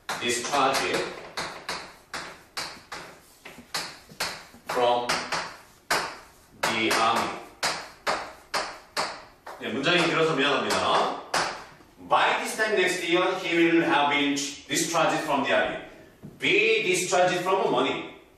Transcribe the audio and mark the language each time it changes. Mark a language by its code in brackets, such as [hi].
[en] discharge it from the army. [ko] 네, 문장이 길어서 미안합니다. [en] By this time next year, he will have been discharged from the army. Be discharged from money.